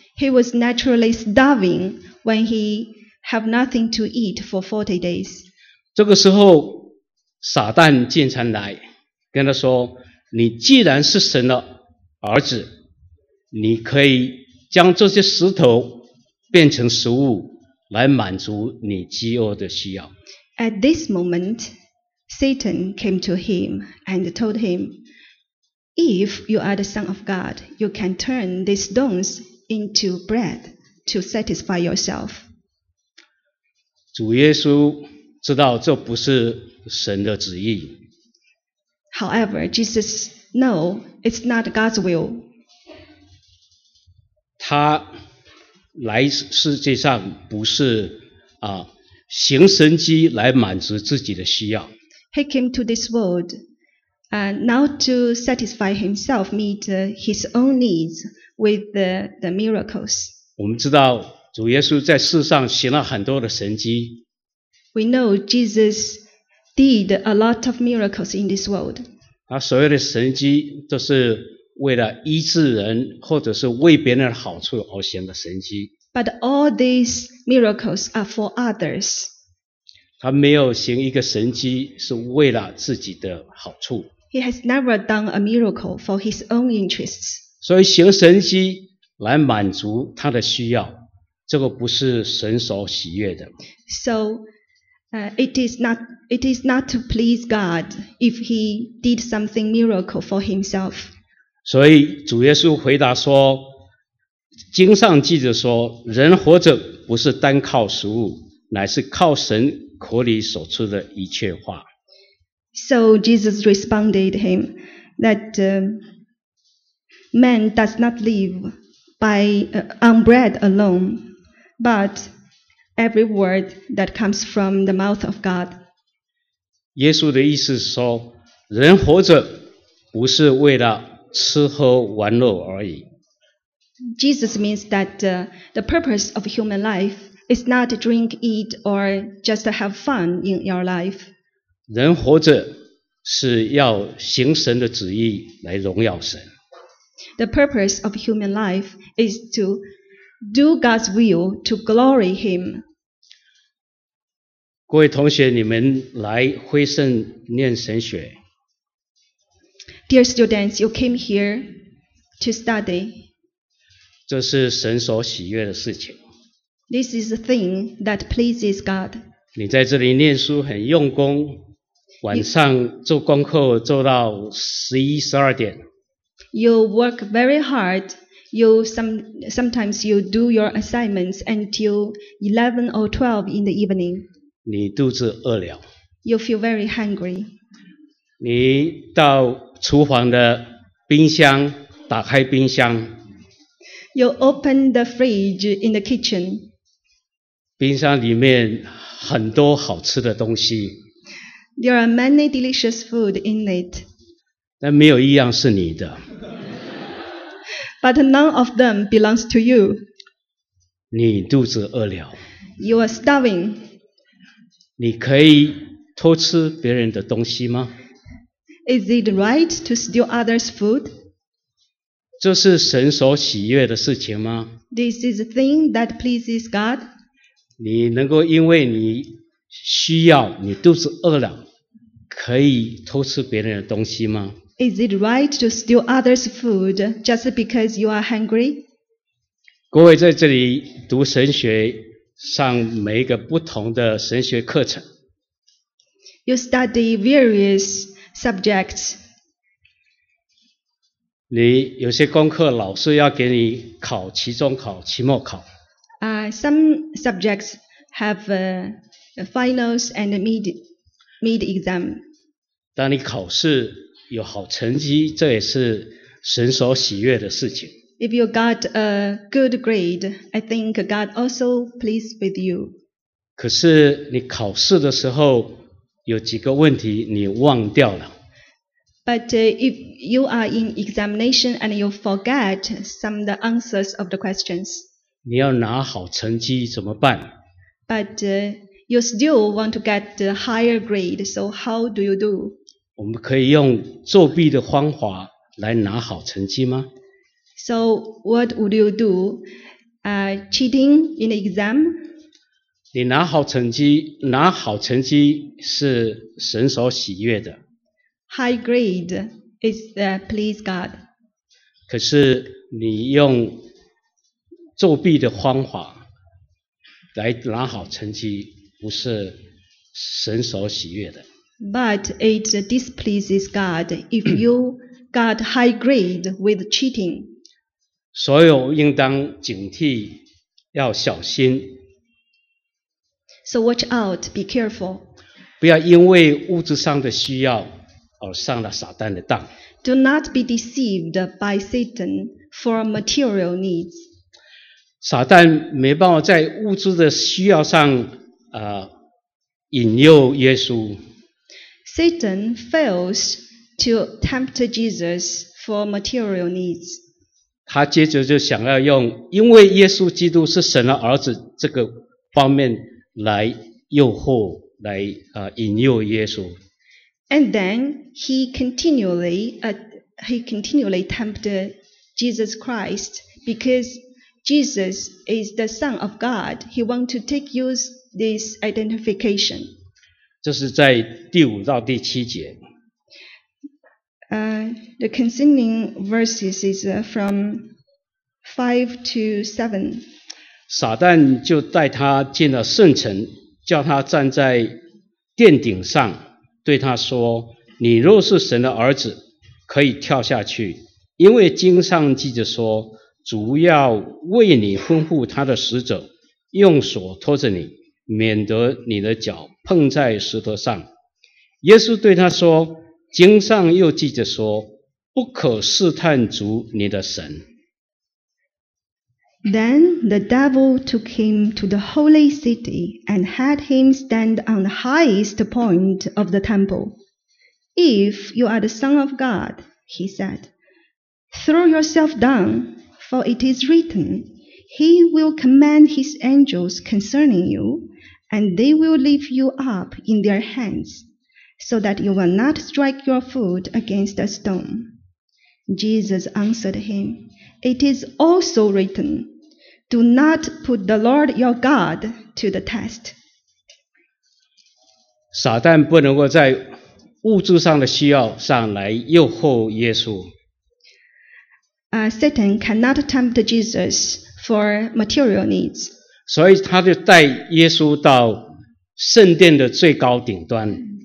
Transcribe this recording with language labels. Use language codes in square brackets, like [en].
[en] He was naturally starving when he had nothing to eat for 40 days. [zh] 这个时候，撒旦进城来，跟他说：“你既然是神的儿子，你可以将这些石头变成食物，来满足你饥饿的需要。 [en] At this moment, Satan came to him and told him, "If you are the Son of God, you can turn these stones into bread to satisfy yourself." [zh] 主耶稣知道这不是神的旨意。 [en] However, Jesus knows it's not God's will. [zh] 他来世界上不是行神迹来满足自己的需要。 [en] He came to this world, not to satisfy himself, meet his own needs with the miracles. [zh] 我们知道主耶稣在世上行了很多的神迹。 [en] We know Jesus did a lot of miracles in this world. [zh] 他所有的神迹都是为了医治人或者是为别人的好处而行的神迹。 [en] But all these miracles are for others. [zh] 他没有行一个神迹是为了自己的好处。 [en] He has never done a miracle for his own interests. [zh] 所以行神迹来满足他的需要，这个不是神所喜悦的。 [en] So, it is not to please God if he did something miracle for himself. [zh] 所以主耶稣回答说，经上记着说，人活着不是单靠食物，乃是靠神口里所出的一切话。 [en] So Jesus responded him that man does not live by on bread alone, but every word that comes from the mouth of God. [zh] 耶稣的意思是说，人活着不是为了吃喝玩乐而已。 [en] Jesus means that the purpose of human life is not to drink, eat, or just to have fun in your life. [zh] 人活着是要行神的旨意来荣耀神。 [en] The purpose of human life is to do God's will to glory Him. [zh] 各位同学，你们来辉盛念神学。 [en] Dear students, you came here to study. [zh] 这是神所喜悦的事情。 [en] This is a thing that pleases God. [zh] 你在这里念书很用功，晚上做功课做到11、12点。 [en] You work very hard. Sometimes you do your assignments until 11 or 12 in the evening. [zh] 你肚子饿了。 [en] You feel very hungry. [zh] 你到厨房的冰箱，打开冰箱。 [en] You open the fridge in the kitchen. [zh] 冰箱里面很多好吃的东西。 [en] There are many delicious food in it. [zh] 但没有一样是你的。 [en] But none of them belongs to you. [zh] 你肚子饿了。 [en] You are starving. [zh] 你可以偷吃别人的东西吗？ [en] Is it right to steal others' food? [zh] 这是神所喜悦的事情吗？ [en] This is a thing that pleases God. [zh] 你能够因为你需要，你肚子饿了，可以偷吃别人的东西吗？ [en] Is it right to steal others' food just because you are hungry? [zh] 各位在这里读神学，上每一个不同的神学课程。 [en] You study various subjects. [zh] 你有些功课老师要给你考期中考、期末考。 [en] Some subjects have finals and mid exam. [zh] 当你考试有好成绩，这也是神所喜悦的事情。 [en] If you got a good grade, I think God also pleased with you. [zh] 可是你考试的时候有几个问题你忘掉了。 [en] But if you are in examination and you forget some of the answers of the questions, [zh] 你要拿好成绩怎么办？ [en] But you still want to get a higher grade, so how do you do? [zh] 我们可以用作弊的方法来拿好成绩吗？ [en] So what would you do? Cheating in the exam? [zh] 你拿好成绩，拿好成绩是神所喜悦的。 [en] High grade is please God. [zh] 可是你用作弊的方法来拿好成绩不是神所喜悦的。 [en] But it displeases God if you got high grade with cheating. [zh] 所有应当警惕，要小心。 [en] So watch out, be careful. [zh] 不要因为物质上的需要而上了撒旦的当。 [en] Do not be deceived by Satan for material needs. [zh] 撒旦没办法在物质的需要上引诱耶稣。 [en] Satan fails to tempt Jesus for material needs. [zh] 他接着就想要用因为耶稣基督是神的儿子这个方面来诱惑，来引诱耶稣。 [en] And then he continually tempted Jesus Christ because Jesus is the Son of God. He wants to take use this identification. [zh] 这是在第五到第七节。 [en] The concerning verses is from 5 to 7. [zh] 撒旦就带他进了圣城，叫他站在殿顶上，对他说：“你若是神的儿子，可以跳下去，因为经上记着说，主要为你吩咐他的使者，用锁托着你，免得你的脚碰在石头上。” 耶稣对他说：“经上又记着说，不可试探主你的神。” [en] Then the devil took him to the holy city and had him stand on the highest point of the temple. "If you are the Son of God," he said, "throw yourself down, for it is written, he will command his angels concerning you. And they will lift you up in their hands, so that you will not strike your foot against a stone." Jesus answered him, "It is also written, do not put the Lord your God to the test." [zh] 撒旦不能够在物质上的需要上来诱惑耶稣。 [en] Satan cannot tempt Jesus for material needs. [zh] 所以他就带耶稣到圣殿的最高顶端。